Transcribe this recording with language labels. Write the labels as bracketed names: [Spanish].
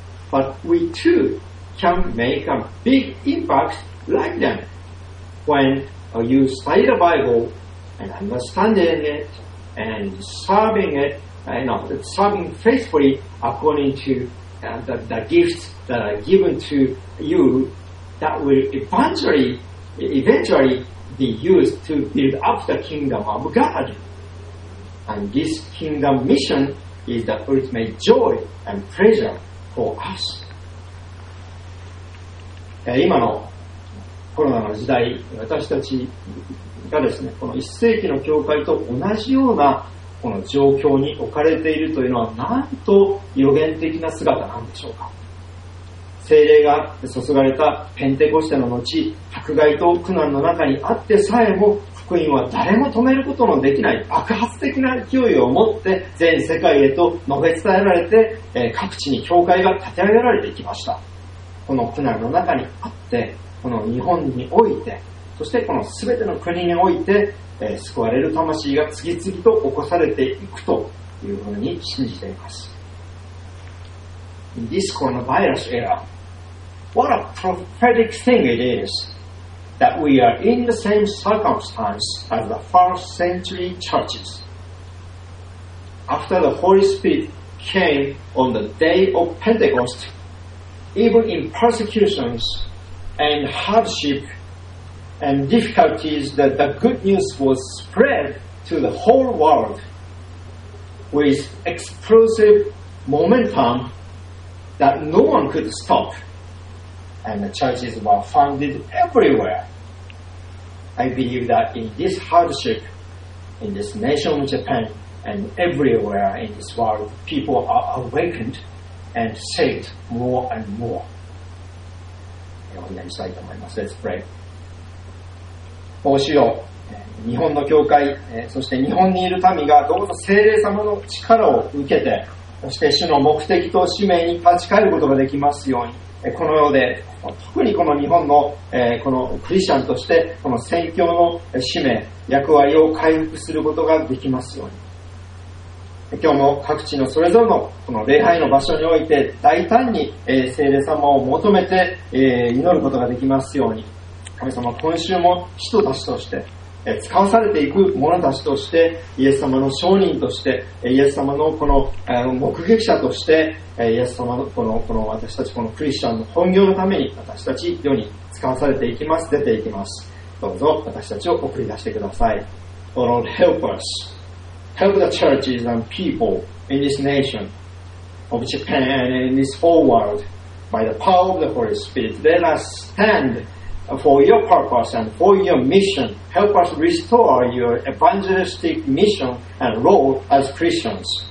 [English] But we too can make a big impact like them when you study the Bible and understanding it and serving it, you know, serving faithfully according to the gifts that are given to you that will eventually be used to build up the kingdom of God. And this kingdom mission is the ultimate joy and pleasure for us. [Japanese] 今のコロナの時代、私たちがですね、この1世紀の教会と同じようなこの状況に置かれているというのは、なんと予言的な姿なんでしょうか。聖霊が注がれたペンテコステの後、迫害と苦難の中にあってさえも、福音は誰も止めることのできない爆発的な勢いを持って全世界へと述べ伝えられて、各地に教会が建て上げられていきました。この苦難の中にあって、この日本において、そしてこの全ての国において、救われる魂が次々と起こされていくというふうに信じています。 [English] In this coronavirus era, what a prophetic thing it is that we are in the same circumstance as the first century churches. After the Holy Spirit came on the day of Pentecost, even in persecutions and hardship and difficulties, that the good news was spread to the whole world with explosive momentum that no one could stop. And the churches were founded everywhere. I believe that in this hardship, in this nation of Japan, and everywhere in this world, people are awakened and saved more and more. Let's pray. [Japanese] おしよ、日本の教会、そして日本にいる民がどうぞ聖霊様の力を受けて、そして主の目的と使命に立ち返ることができますように、この世で特にこの日本の、このクリスチャンとしてこの宣教の使命役割を回復することができますように、今日も各地のそれぞれのこの礼拝の場所において大胆に、聖霊様を求めて、祈ることができますように、神様、今週も人たちとして、使わされていく者たちとして、イエス様の証人として、イエス様のこの、目撃者として、イエス様のこの私たちこのクリスチャンの本業のために、私たち世に使わされていきます、出ていきます。どうぞ、私たちを送り出してください。 [English] Oh Lord, help us. Help the churches and people in this nation of Japan and in this whole world. By the power of the Holy Spirit, let us standFor your purpose and for your mission, help us restore your evangelistic mission and role as Christians.